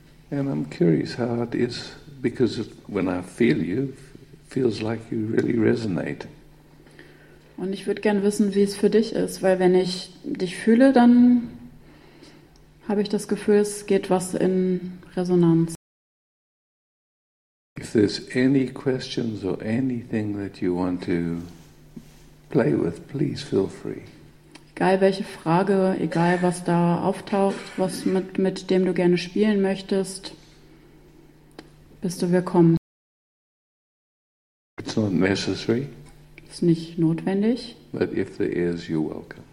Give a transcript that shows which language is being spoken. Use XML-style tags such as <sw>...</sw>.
<en>And I'm curious how it is, because when I feel you, it feels like you really resonate.</en> <de>Und ich würde gern wissen, wie es für dich ist, weil wenn ich dich fühle, dann habe ich das Gefühl, es geht was in Resonanz.</de> <en>If there's any questions or anything that you want to play with, please feel free.</en> <de>Egal welche Frage, egal was da auftaucht, was mit dem du gerne spielen möchtest, bist du willkommen.</de> <en>not necessary.</en> <de>Ist nicht notwendig.</de> <en>But if there is, you're welcome.</en>